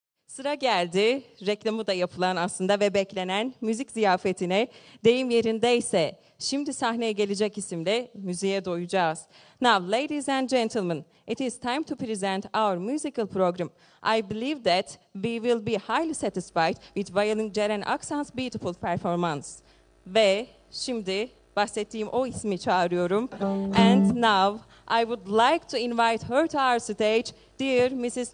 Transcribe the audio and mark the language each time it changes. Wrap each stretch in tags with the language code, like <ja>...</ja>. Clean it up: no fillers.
<tr>Sıra geldi reklamı da yapılan aslında ve beklenen müzik ziyafetine. Deyim yerindeyse şimdi sahneye gelecek isimle müziğe doyacağız.</tr> <en>Now, ladies and gentlemen, it is time to present our musical program. I believe that we will be highly satisfied with Violin Ceren Aksan's beautiful performance.</en> <tr>Ve şimdi bahsettiğim o ismi çağırıyorum.</tr> <en>And now, I would like to invite her to our stage, dear Mrs.</en>